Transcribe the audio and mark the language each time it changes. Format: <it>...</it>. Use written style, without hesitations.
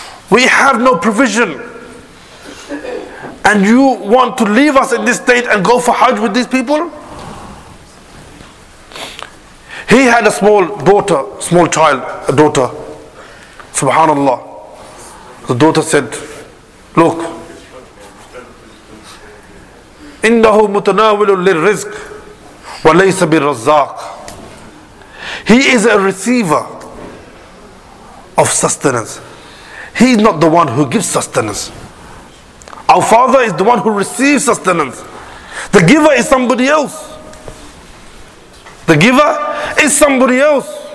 <en>We have no provision. And you want to leave us in this state and go for Hajj with these people? He had a small daughter, small child, a daughter. Subhanallah. The daughter said, look,</en> <ar>إِنَّهُ مُتَنَاوِلٌ لِلْرِزْقِ وَلَيْسَ بِالرَّزَّاقِ.</ar> <en>He is a receiver of sustenance. He is not the one who gives sustenance. Our father is the one who receives sustenance. The giver is somebody else. The giver is somebody else.</en>